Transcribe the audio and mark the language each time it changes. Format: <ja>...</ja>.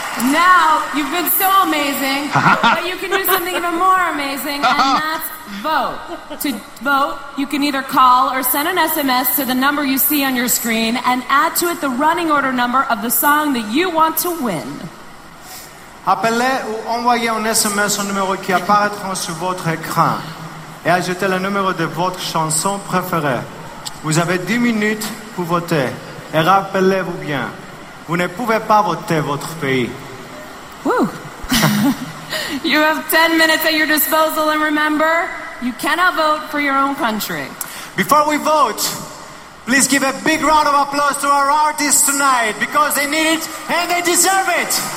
<en>Now, you've been so amazing, but you can do something even more amazing, and that's vote. To vote, you can either call or send an SMS to the number you see on your screen and add to it the running order number of the song that you want to win.</en> <fr>Appelez ou envoyez un SMS au numéro qui apparaîtra sur votre écran et ajoutez le numéro de votre chanson préférée. Vous avez 10 minutes pour voter et rappelez-vous bien. Vous ne pouvez pas voter votre pays. Woo!</fr> <en>You have 10 minutes at your disposal, and remember, you cannot vote for your own country. Before we vote, please give a big round of applause to our artists tonight, because they need it and they deserve it.</en>